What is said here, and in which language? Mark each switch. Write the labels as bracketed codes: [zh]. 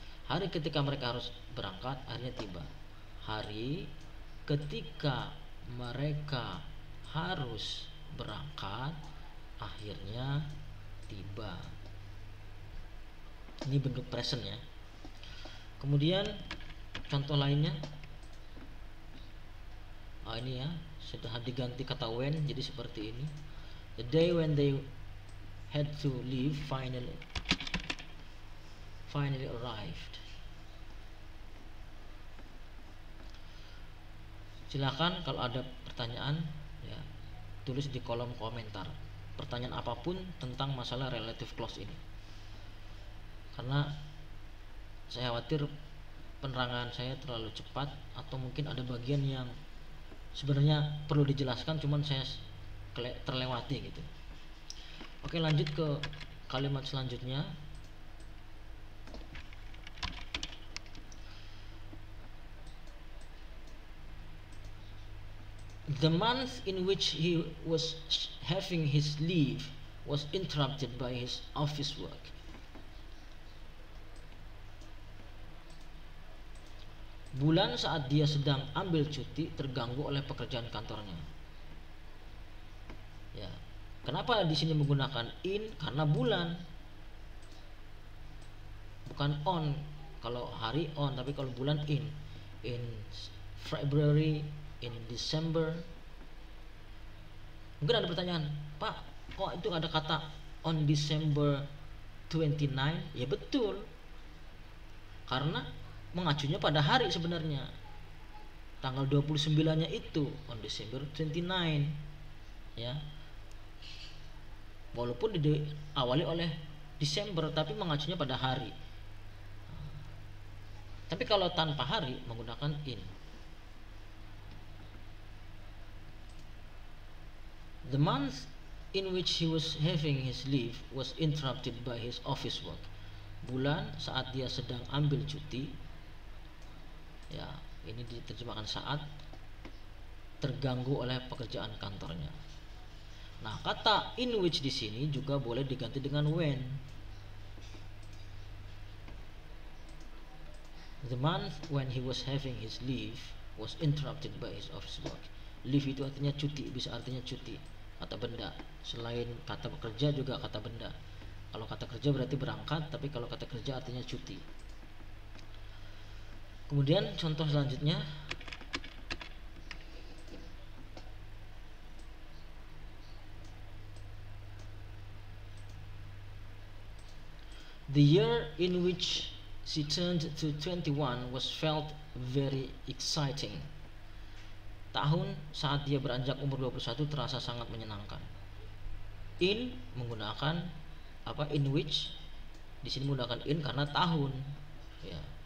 [id] Hari ketika mereka harus berangkat akhirnya tiba. Hari ketika mereka harus berangkat akhirnya tiba. Ini bentuk present ya. Kemudian contoh lainnya. Oh, ini ya, sudah diganti kata when jadi seperti ini. [en] The day when they had to leave finally arrived. [id] Silakan kalau ada pertanyaan ya, tulis di kolom komentar pertanyaan apapun tentang masalah relative clause ini, karena saya khawatir penerangan saya terlalu cepat atau mungkin ada bagian yang sebenarnya perlu dijelaskan cuman saya terlewati gitu. Oke, lanjut ke kalimat selanjutnya. [en] The month in which he was having his leave was interrupted by his office work. [id] Bulan saat dia sedang ambil cuti terganggu oleh pekerjaan kantornya. Ya. Kenapa di sini menggunakan in? Karena bulan. Bukan on. Kalau hari on, tapi kalau bulan in. [en] In February, in December. [id] Mungkin ada pertanyaan, Pak, kok itu ada kata [en] on December 29? [id] Ya betul. Karena mengacunya pada hari sebenarnya. Tanggal 29-nya itu [en] on December 29. [id] Ya. Walaupun diawali oleh Desember tapi mengacunya pada hari. Tapi kalau tanpa hari menggunakan in. [en] The month in which he was having his leave was interrupted by his office work. [id] Bulan saat dia sedang ambil cuti, ya, ini diterjemahkan saat, terganggu oleh pekerjaan kantornya. Nah, kata in which di sini juga boleh diganti dengan when. [en] The month when he was having his leave was interrupted by his office work. [id] Leave itu artinya cuti, bisa artinya cuti. Kata benda, selain kata pekerja juga kata benda. Kalau kata kerja berarti berangkat, tapi kalau kata kerja artinya cuti. Kemudian contoh selanjutnya, [en] the year in which she turned to 21 was felt very exciting. [id] Tahun saat dia beranjak umur 21 terasa sangat menyenangkan. In menggunakan apa, in which, di sini menggunakan in karena tahun, ya.